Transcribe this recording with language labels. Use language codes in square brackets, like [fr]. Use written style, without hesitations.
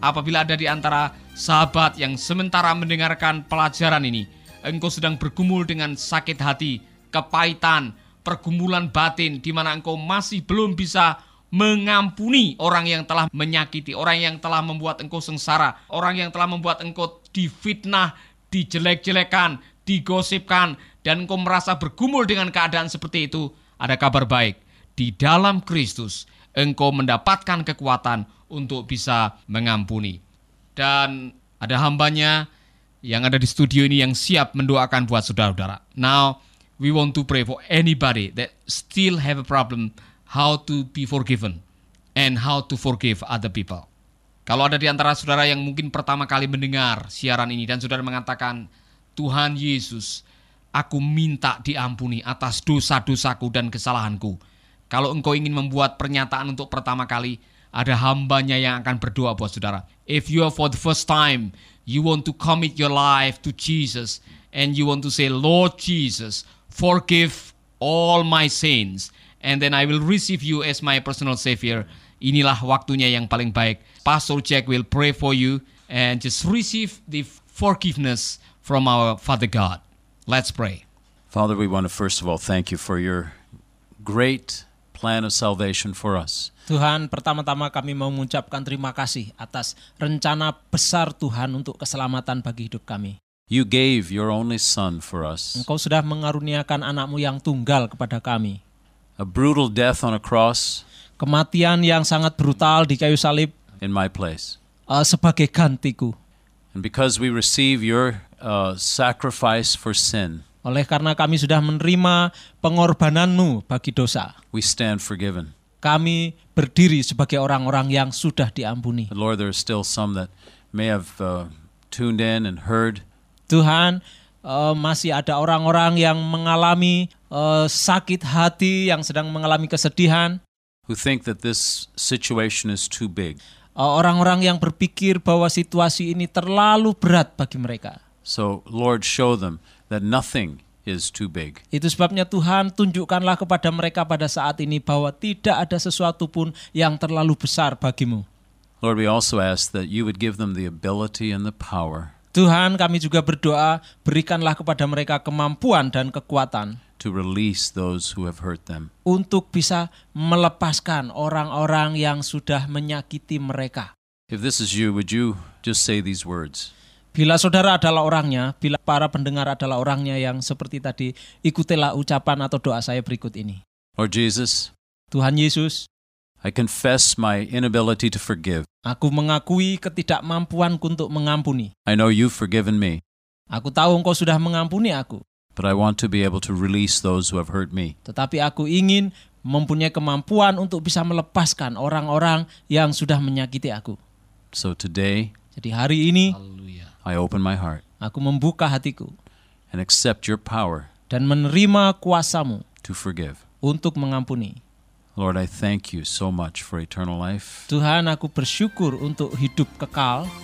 [id] Apabila ada di antara sahabat yang sementara mendengarkan pelajaran ini, engkau sedang bergumul dengan sakit hati, kepahitan, pergumulan batin, di mana engkau masih belum bisa mengampuni orang yang telah menyakiti, orang yang telah membuat engkau sengsara, orang yang telah membuat engkau difitnah, dijelek-jelekan, digosipkan, dan engkau merasa bergumul dengan keadaan seperti itu, ada kabar baik. Di dalam Kristus, engkau mendapatkan kekuatan untuk bisa mengampuni. Dan ada hambanya yang ada di studio ini yang siap mendoakan buat saudara-saudara. [en] Now, we want to pray for anybody that still have a problem how to be forgiven and how to forgive other people. [id] Kalau ada di antara saudara yang mungkin pertama kali mendengar siaran ini dan saudara mengatakan, Tuhan Yesus, aku minta diampuni atas dosa-dosaku dan kesalahanku. Kalau engkau ingin membuat pernyataan untuk pertama kali, ada hambanya yang akan berdoa buat saudara. [en] If you are for the first time, you want to commit your life to Jesus and you want to say, Lord Jesus, forgive all my sins and then I will receive you as my personal savior. [id] Inilah waktunya yang paling baik. [en] Pastor Jack will pray for you and just receive the forgiveness from our Father God. Let's pray. Father, we want to first of all thank you for your great plan of salvation for us. [id] Tuhan, pertama-tama kami mau mengucapkan terima kasih atas rencana besar Tuhan untuk keselamatan bagi hidup kami. [en] You gave your only son for us. [id] Engkau sudah mengaruniakan anakmu yang tunggal kepada kami. [en] A brutal death on a cross. [id] Kematian yang sangat brutal di kayu salib. [en] In my place. [id] Sebagai gantiku. [en] And because we receive your sacrifice for sin. [id] Oleh karena kami sudah menerima pengorbananmu bagi dosa. [en] We stand forgiven. [id] Kami berdiri sebagai orang-orang yang sudah diampuni. [en] But Lord, there are still some that may have tuned in and heard. [id] Tuhan, masih ada orang-orang yang mengalami sakit hati, yang sedang mengalami kesedihan. [en] Who think that this situation is too big. [id] Orang-orang yang berpikir bahwa situasi ini terlalu berat bagi mereka. [en] So, Lord, show them that nothing is too big. [id] Itu sebabnya Tuhan, tunjukkanlah kepada mereka pada saat ini bahwa tidak ada sesuatu pun yang terlalu besar bagimu. [en] Lord, we also ask that you would give them the ability and the power. [id] Tuhan, kami juga berdoa, berikanlah kepada mereka kemampuan dan kekuatan [en] to release those who have hurt them. [id] Untuk bisa melepaskan orang-orang yang sudah menyakiti mereka. [en] If this is you, would you just say these words? [id] Bila saudara adalah orangnya, bila para pendengar adalah orangnya yang seperti tadi, ikutilah ucapan atau doa saya berikut ini. [en] Lord Jesus, [id] Tuhan Yesus, [en] I confess my inability to forgive. [id] Aku mengakui ketidakmampuanku untuk mengampuni. [en] I know you've forgiven me. [id] Aku tahu engkau sudah mengampuni aku. [en] But I want to be able to release those who have hurt me. [id] Tetapi aku ingin mempunyai kemampuan untuk bisa melepaskan orang-orang yang sudah menyakiti aku. [en] So today, [id] jadi hari ini, [en] hallelujah. I open my heart. [id] Aku membuka hatiku. [en] And accept your power. [id] Dan menerima kuasamu [en] to forgive. [id] Untuk mengampuni. [en] Lord, I thank you so much for eternal life. [id] Tuhan, aku bersyukur untuk hidup kekal.